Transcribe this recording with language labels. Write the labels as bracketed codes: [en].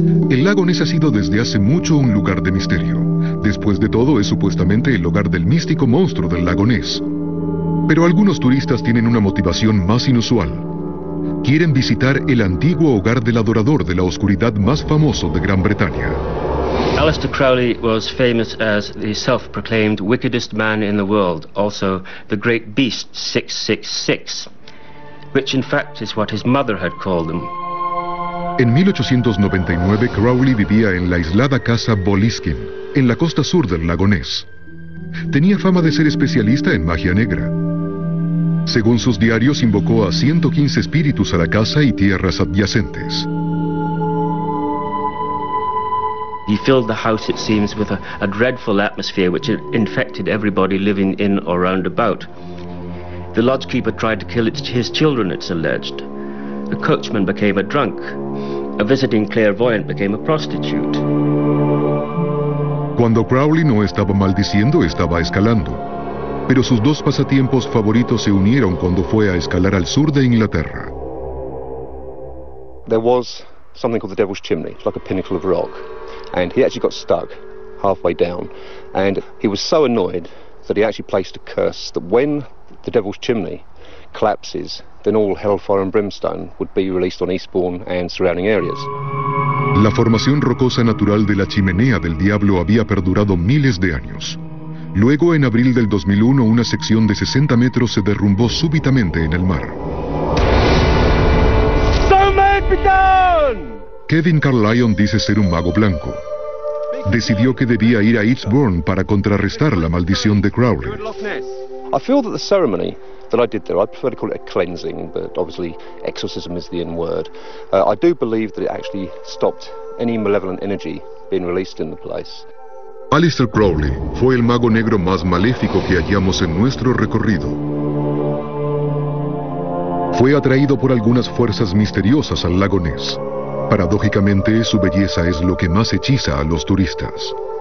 [es] El lago Ness ha sido desde hace mucho un lugar de misterio. Después de todo, es supuestamente el hogar del místico monstruo del lago Ness. Pero algunos turistas tienen una motivación más inusual. Quieren visitar el antiguo hogar del adorador de la oscuridad más famoso de Gran Bretaña. [en] Aleister Crowley was famous as the self-proclaimed wickedest man in the world, also the great beast 666, which in fact is what his mother had called him. [es] En 1899, Crowley vivía en la aislada casa Boliskin, en la costa sur del lago Ness. Tenía fama de ser especialista en magia negra. Según sus diarios, invocó a 115 espíritus a la casa y tierras adyacentes. [en] He filled the house, it seems, with a dreadful atmosphere which infected everybody living in or round about. The lodgekeeper tried to kill his children, it's alleged. A coachman became a drunk. A visiting clairvoyant became a prostitute. [es] Cuando Crowley no estaba maldiciendo, estaba escalando. Pero sus dos pasatiempos favoritos se unieron cuando fue a escalar al sur de Inglaterra. [en] There was something called the Devil's Chimney, like a pinnacle of rock. And he actually got stuck halfway down, and he was so annoyed that he actually placed a curse that when the Devil's Chimney collapses, then all hellfire and brimstone would be released on Eastbourne and surrounding areas. [es] La formación rocosa natural de la chimenea del diablo había perdurado miles de años. Luego, en abril del 2001, una sección de 60 metros se derrumbó súbitamente en el mar. [en] So may it be done! [es] Kevin Carlyon dice ser un mago blanco. Decidió que debía ir a Eastbourne para contrarrestar la maldición de Crowley. [en] I feel that the ceremony that I did there, I prefer to call it a cleansing, but obviously exorcism is the in word. I do believe that it actually stopped any malevolent energy being released in the place. [es] Aleister Crowley fue el mago negro más maléfico que hallamos en nuestro recorrido. Fue atraído por algunas fuerzas misteriosas al lago Ness. Paradójicamente, su belleza es lo que más hechiza a los turistas.